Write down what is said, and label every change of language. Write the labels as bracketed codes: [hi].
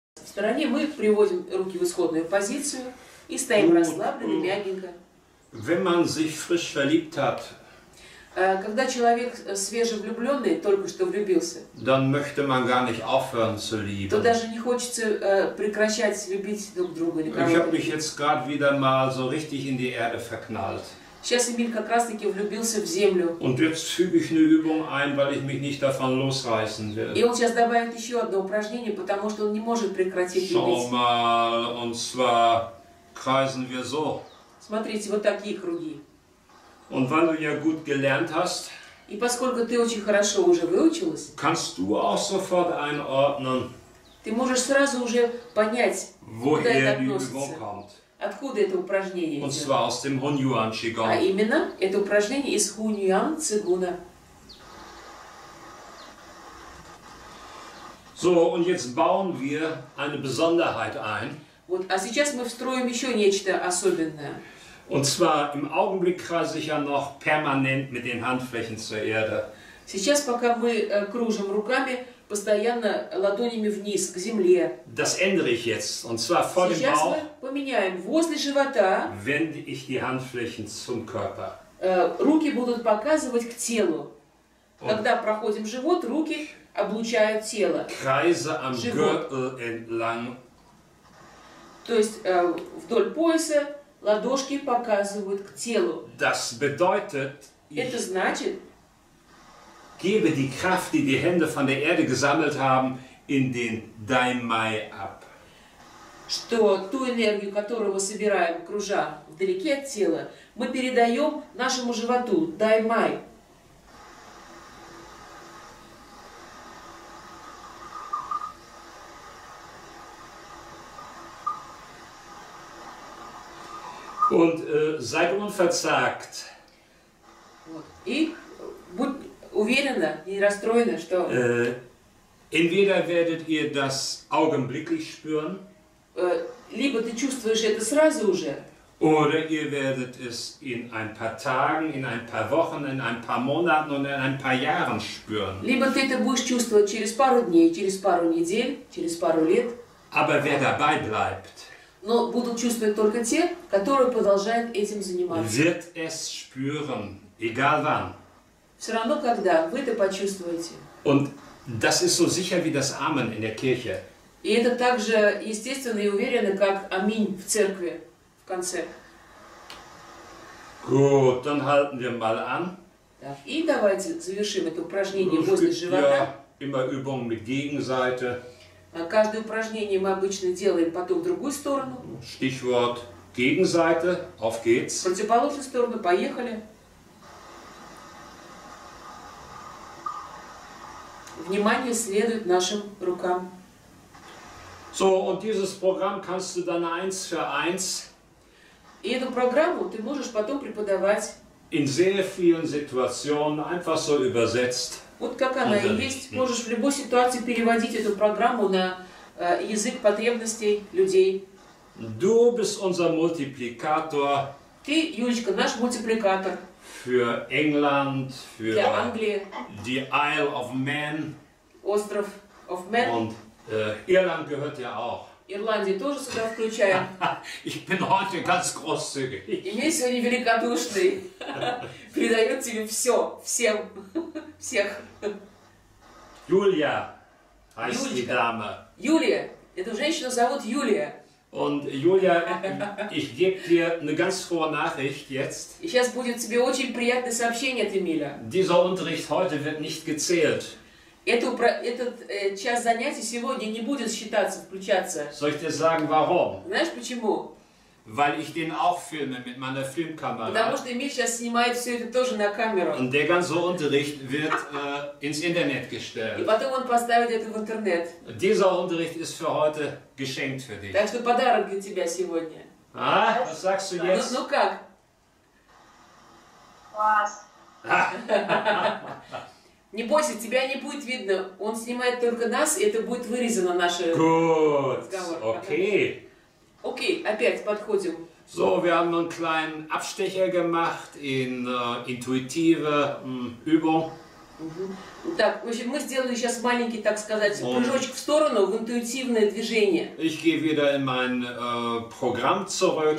[ru] стороне, мы приводим руки в исходную позицию и стоим расслабленно, мягенько. [de] Wenn man sich frisch verliebt hat, [ru] когда человек свежевлюбленный, только что влюбился, [de] dann möchte man gar nicht aufhören zu lieben. [ru] То даже не хочется прекращать любить друг друга. [de] Ich habe mich jetzt gerade wieder mal so richtig in die Erde verknallt. [ru] Сейчас Эмиль как раз-таки влюбился в землю. [de] Und jetzt füge ich eine Übung ein, weil ich mich nicht davon losreißen will. [ru] И он сейчас добавит еще одно упражнение, потому что он не может прекратить [de] Schau [ru] любить. [de] Schau mal, und zwar kreisen wir so. [ru] Смотрите, вот такие круги. [de] Und weil du ja gut gelernt hast, [ru] и поскольку ты очень хорошо уже выучилась, [de] kannst du auch sofort einordnen, [ru] ты можешь сразу уже понять, [de] woher [ru] куда это относится. Откуда это упражнение идет? [de] Und zwar aus dem Hunyuan Qigong. [ru] А именно, это упражнение из Хуньюан Цигуна. [de] So, und jetzt bauen wir eine Besonderheit ein. [ru] Вот, а сейчас мы встроим еще нечто особенное. [de] Und zwar im Augenblick kreise ich ja noch permanent mit den Handflächen zur Erde. [ru] Сейчас, пока мы кружим руками, постоянно ладонями вниз, к земле. [de] Das ändere ich jetzt, und zwar vor [ru] сейчас [de] dem Bauch. [ru] Сейчас мы поменяем. Возле живота [de] wende ich die Handflächen zum Körper. [ru] Руки будут показывать к телу. [de] Und [ru] когда проходим живот, руки облучают тело. [de] Kreise am Gürtel entlang. [ru] То есть вдоль пояса ладошки показывают к телу. [de] Das bedeutet, [ru] это значит, [de] gebe die Kraft, die die Hände von der Erde gesammelt haben, in den Daimai ab. [ru] Что ту энергию, которую мы собираем, кружа вдалеке от тела, мы передаем нашему животу, Даймай. [de] Und seid unverzagt. Ich bin [ru] уверена, не расстроена, что [de] entweder werdet ihr das augenblicklich spüren, [ru] либо ты чувствуешь это сразу уже, [de] oder ihr werdet es in ein paar Tagen, in ein paar Wochen, in ein paar Monaten und in ein paar Jahren spüren. [ru] Либо ты это будешь чувствовать через пару дней, через пару недель, через пару лет. [de] Aber wer dabei bleibt, [ru] но будут чувствовать только те, которые продолжают этим заниматься. [de] Wird es spüren, egal wann. [ru] Все равно когда, вы это почувствуете. [de] Und das ist so sicher wie das Amen in der Kirche. [ru] И это так же естественно и уверенно, как аминь в церкви, в конце. [de] Gut, dann halten wir mal an. [ru] Так, и давайте завершим это упражнение возле живота. [de] Ja, immer Übung mit Gegenseite. [ru] Каждое упражнение мы обычно делаем потом в другую сторону. [de] Stichwort Gegenseite, auf geht's. [ru] В противоположную сторону, поехали. Внимание следует нашим рукам. [de] So, und dieses Programm kannst du dann eins für eins. [ru] И эту программу ты можешь потом преподавать. [de] In sehr vielen Situationen einfach so übersetzt. [ru] Вот как она и есть, можешь в любой ситуации переводить эту программу на язык потребностей людей. [de] Du bist unser Multiplikator. [ru] Ты, Юлечка, наш мультипликатор. [de] Für England, für [ru] для Англии. [en] The Isle of Man. [ru] Остров of Man. [de] Und Irland gehört ja auch. [ru] Ирландии тоже сюда включаем. [de] Ich bin heute ganz großzügig. [ru] Я сегодня великодушный. Передаю тебе все, всем, всех. [de] Юлия, heißt die Dame. [ru] Юлия, эту женщину зовут Юлия. [de] Und Julia, ich gebe dir eine ganz frohe Nachricht jetzt. [ru] Сейчас будет тебе очень приятное сообщение от Эмиля. [de] Dieser Unterricht heute wird nicht gezählt. [ru] Этот час занятий сегодня не будет считаться, включаться. [de] Soll ich dir sagen, warum? [ru] Знаешь, почему? [de] Weil ich den auch filme mit meiner Filmkamera. [ru] Потому что Эмиль сейчас снимает все это тоже на камеру. [de] Und der ganze Unterricht wird ins Internet gestellt. [ru] И потом он поставит это в интернет. [de] Dieser Unterricht ist für heute geschenkt für dich. [ru] Так что подарок для тебя сегодня. [de] А? Was sagst du jetzt? [ru] Ну как? Класс. Не бойся, тебя не будет видно. Он снимает только нас, и это будет вырезано наше. [en] Good. Окей. [ru] Okay, опять подходим. [de] So, wir haben einen kleinen Abstecher gemacht in intuitive Übung. [ru] Так, в общем, мы сделали сейчас маленький, так сказать, прыжочек в сторону, в интуитивное движение. [de] Ich gehe wieder in mein Programm zurück.